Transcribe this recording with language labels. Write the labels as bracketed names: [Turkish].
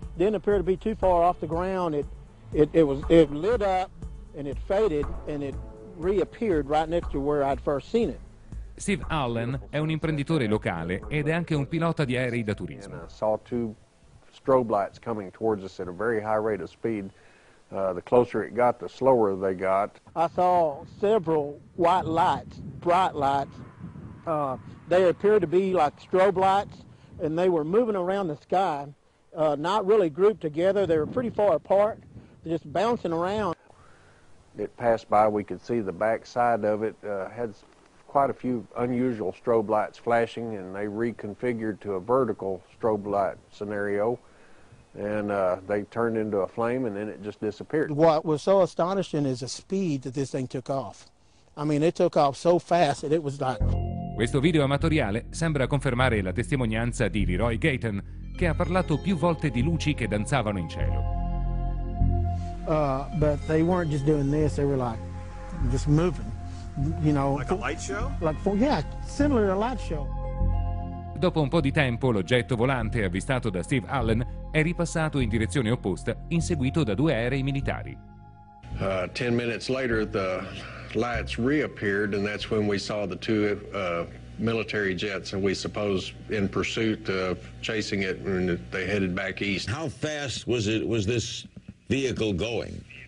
[English] Didn't appear to be too far off the ground. It lit up and it faded and it reappeared right next to where I'd first seen it. [Italian] Steve Allen è un imprenditore locale ed è anche un pilota di aerei da turismo. [English] I saw two strobe lights coming towards us at a very high rate of speed. The closer it got, the slower they got. I saw several white lights, bright lights. They appeared to be like strobe lights, and they were moving around the sky, not really grouped together. They were pretty far apart, just bouncing around. It passed by. We could see the back side of it. Had quite a few unusual strobe lights flashing, and they reconfigured to a vertical strobe light scenario, and they turned into a flame, and then it just disappeared. What was so astonishing is the speed that this thing took off. I mean, it took off so fast that it was like... [Italian] Questo video amatoriale sembra confermare la testimonianza di Leroy Gayton, che ha parlato più volte di luci che danzavano in cielo. [English] But they weren't just doing this, they were like just moving. You know, like a light show? Similar to a light show. [Italian] Dopo un po' di tempo, l'oggetto volante avvistato da Steve Allen è ripassato in direzione opposta, inseguito da due aerei militari. [English] 10 minutes later the lights reappeared, and that's when we saw the two military jets, and we suppose in pursuit of chasing it, and they headed back east. How fast was this vehicle going?